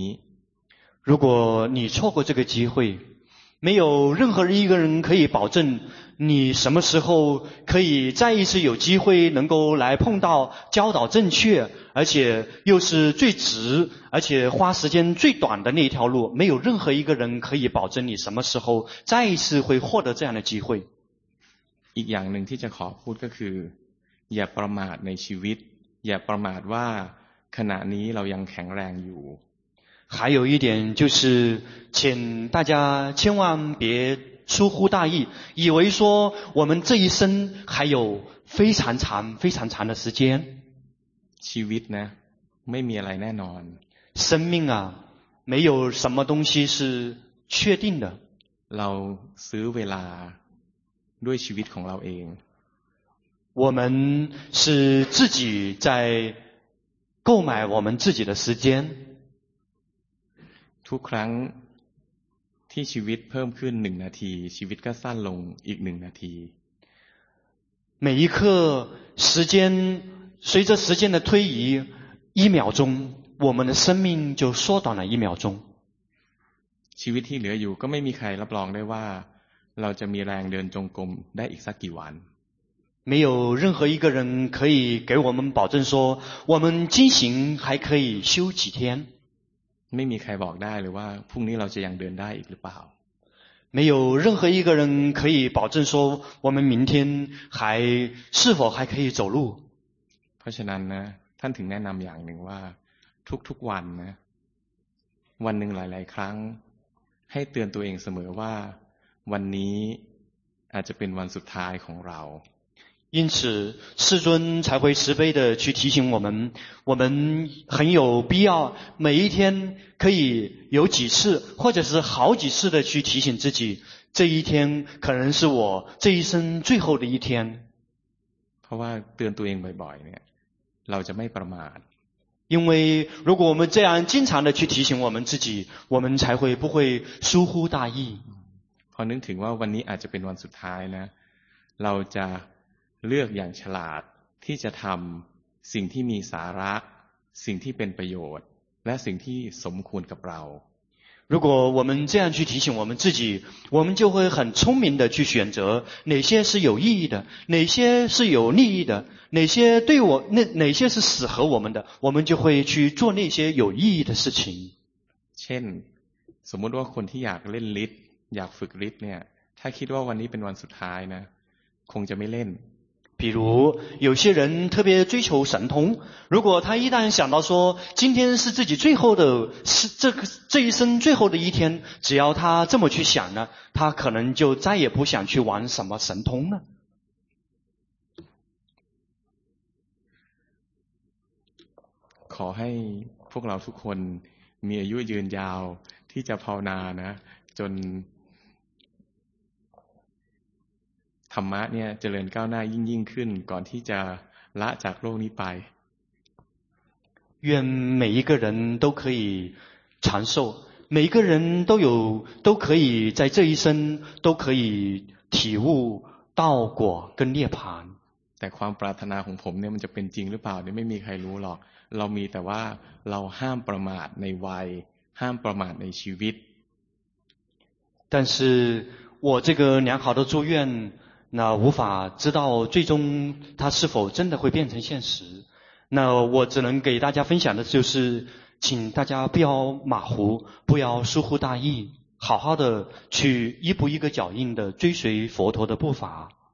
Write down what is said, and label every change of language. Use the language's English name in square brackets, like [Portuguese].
[Chinese] 如果你错过这个机会没有任何一个人可以保证你什么时候可以再一次有机会能够来碰到教导正确而且又是最直而且花时间最短的那条路没有任何一个人可以保证你什么时候再一次会获得这样的机会 [Thai] อีกอย่างหนึ่งที่จะขอพูดก็คืออย่าประมาทในชีวิตอย่าประมาทว่าขณะนี้เรายังแข็งแรงอยู่ [Chinese] 还有一点就是请大家千万别疏忽大意以为说我们这一生还有非常长非常长的时间 [Thai] ชีวิตนะไม่มีอะไรแน่นอน [Chinese] 生命啊没有什么东西是确定的 [Thai] เราซื้อเวลาด้วยชีวิตของเราเอง [Chinese] 我们是自己在购买我们自己的时间 [Thai] ทุกครั้งที่ชีวิตเพิ่มขึ้น1นาทีชีวิตก็สั้นลงอีก1นาที [Chinese] 每一刻时间随着时间的推移一秒钟我们的生命就缩短了一秒钟 [Thai] ชีวิตที่เหลืออยู่ก็ไม่มีใครรับรองได้ว่าเราจะมีแรงเดินจงกรมได้อีกสักกี่วัน [Chinese] 没有任何一个人可以给我们保证说我们进行还可以修几天 [Thai] ไม่มีใครบอกได้เลยว่าพรุ่งนี้เราจะยังเดินได้อีกหรือเปล่า [Chinese] 没有任何一个人可以保证说我们明天还是否还可以走路 [Thai] เพราะฉะนั้นนะท่านถึงแนะนำอย่างหนึ่งว่าทุกๆวันนะวันหนึ่งหลายๆครั้งให้เตือนตัวเองเสมอว่าวันนี้อาจจะเป็นวันสุดท้ายของเรา [Chinese] 因此世尊才会慈悲地去提醒我们我们很有必要每一天可以有几次或者是好几次地去提醒自己这一天可能是我这一生最后的一天 [Thai] เพราะว่าเตือนตัวเองบ่อยๆเนี่ยเราจะไม่ประมาท [Chinese] 因为如果我们这样经常地去提醒我们自己我们才会不会疏忽大意 [Thai] พอนึกถึงว่าวันนี้อาจจะเป็นวันสุดท้ายนะเราจะเลือกอย่างฉลาดที่จะทำสิ่งที่มีสาระ สิ่งที่เป็นประโยชน์และสิ่งที่สมควรกับเรา [Chinese] 如果我们这样去提醒我们自己，我们就会很聪明的去选择哪些是有意义的，哪些是有利益的，哪些对我那哪些是适合我们的，我们就会去做那些有意义的事情。 [Thai] เช่นสมมติว่าคนที่อยากเล่นฤทธิ์อยากฝึกฤทธิ์เนี่ยถ้าคิดว่าวันนี้เป็นวันสุดท้ายนะคงจะไม่เล่น [Chinese] 比如有些人特别追求神通，如果他一旦想到说今天是自己最后的是这个这一生最后的一天，只要他这么去想呢，他可能就再也不想去玩什么神通了。 [Thai] ขอให้พวกเราทุกคนมีอายุยืนยาวที่จะภาวนานะจนธรรมะเนี่ยเจริญก้าวหน้ายิ่งขึ้นก่อนที่จะละจากโลกนี้ไป [Chinese] 愿每一个人都可以长寿，每一个人都有都可以在这一生都可以体悟道果跟涅槃。 [Thai] แต่ความปรารถนาของผมเนี่ยมันจะเป็นจริงหรือเปล่าเนี่ยไม่มีใครรู้หรอกเรามีแต่ว่าเราห้ามประมาทในวัยห้ามประมาทในชีวิต [Chinese] 但是我这个良好的祝愿那无法知道最终它是否真的会变成现实。那我只能给大家分享的就是，请大家不要马虎，不要疏忽大意，好好的去一步一个脚印的追随佛陀的步伐。